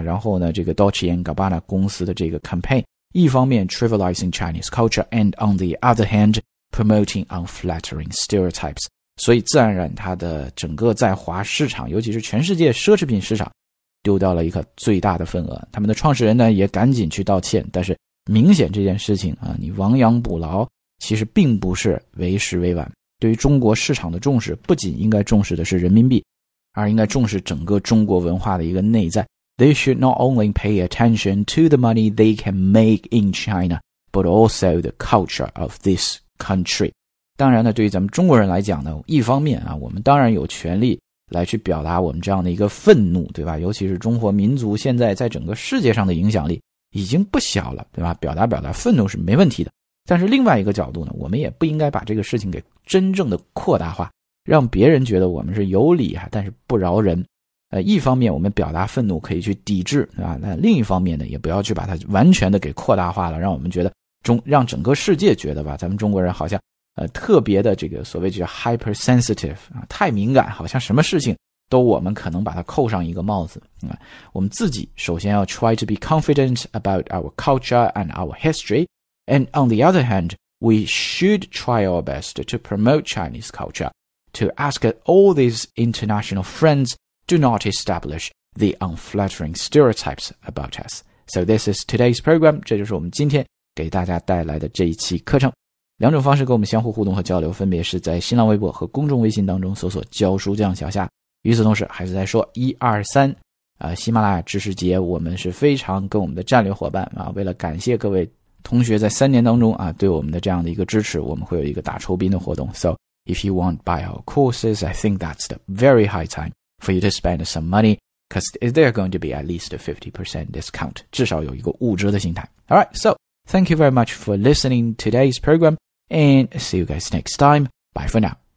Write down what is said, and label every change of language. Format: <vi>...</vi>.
<zh>然后呢，这个 Dolce & Gabbana 公司的这个 campaign， 一方面</zh> <en>trivializing Chinese culture and on the other hand promoting unflattering stereotypes，</en> <zh>所以自然而然它的整个在华市场，尤其是全世界奢侈品市场，丢掉了一个最大的份额。他们的创始人呢也赶紧去道歉，但是明显这件事情啊，你亡羊补牢其实并不是为时未晚。对于中国市场的重视，不仅应该重视的是人民币，而应该重视整个中国文化的一个内在。</zh> <en>They should not only pay attention to the money they can make in China but also the culture of this country。</en> <zh>当然呢，对于咱们中国人来讲呢，一方面啊，我们当然有权利来去表达我们这样的一个愤怒，对吧？尤其是中华民族现在在整个世界上的影响力已经不小了，对吧？表达表达愤怒是没问题的。但是另外一个角度呢，我们也不应该把这个事情给真正的扩大化，让别人觉得我们是有理啊，但是不饶人。一方面我们表达愤怒可以去抵制，对吧？那另一方面呢，也不要去把它完全的给扩大化了，让我们觉得让整个世界觉得吧，咱们中国人好像特别的这个所谓叫 hypersensitive 啊，太敏感，好像什么事情都我们可能把它扣上一个帽子。我们自己首先要</zh> <en>try to be confident about our culture and our history, and on the other hand, we should try our best to promote Chinese culture, to ask all these international friends do not establish the unflattering stereotypes about us. So this is today's program,</en> <zh>这就是我们今天给大家带来的这一期课程。两种方式跟我们相互互动和交流，分别是在新浪微博和公众微信当中搜索教书匠小夏。与此同时还是在说123喜马拉雅知识节，我们是非常跟我们的战略伙伴啊，为了感谢各位同学在三年当中啊对我们的这样的一个支持，我们会有一个打抽宾的活动。</zh> <en>So, if you want to buy our courses, I think that's the very high time for you to spend some money, because there are going to be at least a 50% discount,</en> <zh>至少有一个五折的心态。</zh> <en>Alright, so, thank you very much for listening today's program, and see you guys next time. Bye for now.</en>